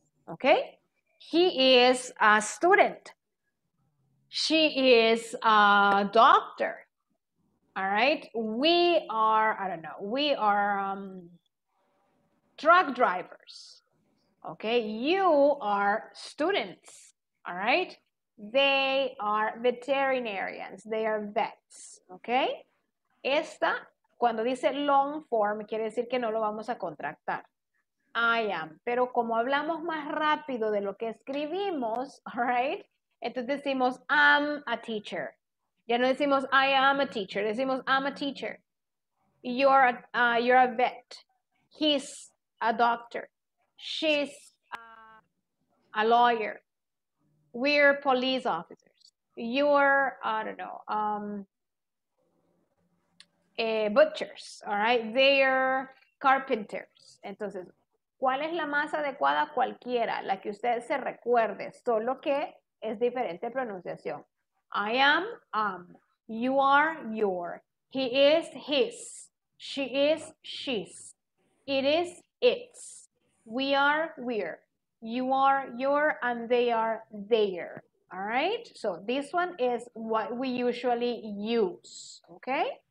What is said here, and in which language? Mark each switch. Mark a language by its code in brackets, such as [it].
[en] Okay, he is a student, she is a doctor, all right, we are, I don't know, we are truck drivers, okay, you are students, all right, they are veterinarians, they are vets, okay, [es] esta, cuando dice long form, quiere decir que no lo vamos a contractar. I am, pero como hablamos más rápido de lo que escribimos, right? Entonces decimos, [en] I'm a teacher. [es] Ya no decimos, [en] I am a teacher, [es] decimos, I'm a teacher. [en] You're a vet. He's a doctor. She's a lawyer. We're police officers. You're, I don't know, butchers, all right? They're carpenters. [es] Entonces, ¿cuál es la más adecuada? Cualquiera, la que usted se recuerde, solo que es diferente pronunciación. [en] I am, you are, your, he is, his, she is, she's, it is, it's, we are, we're, you are, your, and they are, their. All right? So this one is what we usually use, okay?